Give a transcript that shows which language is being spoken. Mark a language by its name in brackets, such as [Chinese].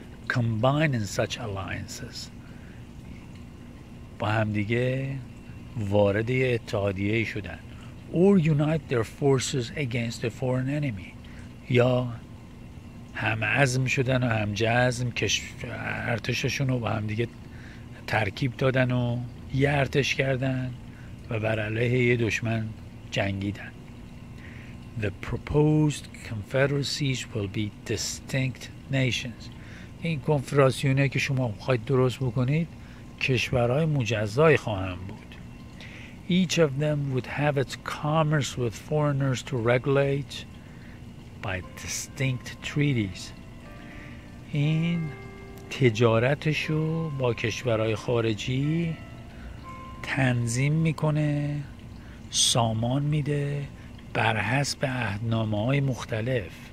[English] combine in such alliances [Persian] با هم دیگه وارد یه اتحادیه شدن [English] or unite their forces against a foreign enemy [Persian] یا هم عزم شدن و هم جزم ارتششون رو با هم دیگه ترکیب دادن و یه ارتش کردن و بر علیه یه دشمن جنگیدن. [English] The proposed confederacies will be distinct nations. [Persian] این کنفدراسیونی که شما خواهید درست بکنید کشورهای مجزای خواهند بود. [English] Each of them would have its commerce with foreigners to regulate [Persian] با [English] by distinct treaties. [Persian] این تجارتشو با کشورهای خارجی تنظیم میکنه، سامان میده بر حسب عهدنامه‌های مختلف.